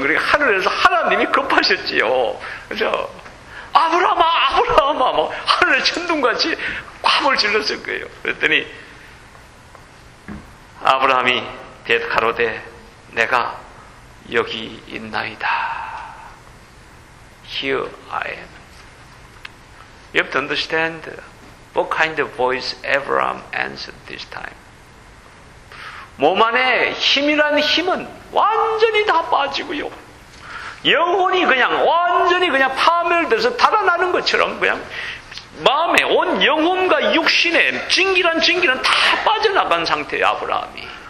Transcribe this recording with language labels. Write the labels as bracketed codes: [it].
[ko] 그리고 하늘에서 하나님이 급하셨지요. 그죠? 아브라함아, 아브라함아, 뭐, 하늘에 천둥같이 꽝을 질렀을 거예요. 그랬더니, 아브라함이 가로대, 내가 여기 있나이다. [en] Here I am. You have to understand what kind of voice Abraham answered this time. [ko] 몸 안에 힘이라는 힘은 완전히 다 빠지고요. 영혼이 그냥 완전히 그냥 파멸돼서 달아나는 것처럼 그냥 마음에 온 영혼과 육신에 진기란 진기는 다 빠져나간 상태의 아브라함이.